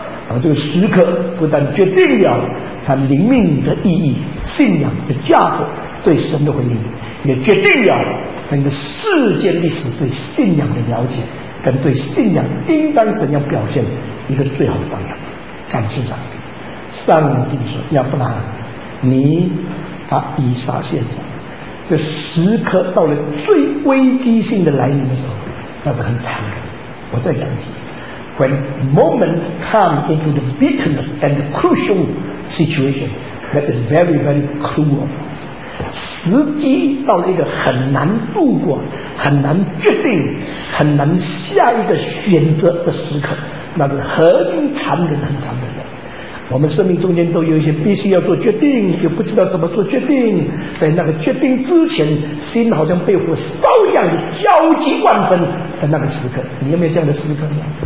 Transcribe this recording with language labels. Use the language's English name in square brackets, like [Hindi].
[Chinese] 而这个时刻不但决定了他灵命的意义、信仰的价值、对神的回应，也决定了整个世界历史对信仰的了解跟对信仰应当怎样表现一个最好的榜样。感谢上帝，上帝说亚伯拉罕，你把以撒献上，这时刻到了最危机性的来临的时候，那是很残忍。我再讲一次， [English] When moment comes into the bitterness and the crucial situation, that is very, very cruel. [Chinese] 时机到了一个很难度过、很难决定、很难下一个选择的时刻，那是很残忍、很残忍的。我们生命中间都有一些必须要做决定，又不知道怎么做决定，在那个决定之前，心好像被火烧一样的焦急万分的那个时刻，你有没有这样的时刻呢？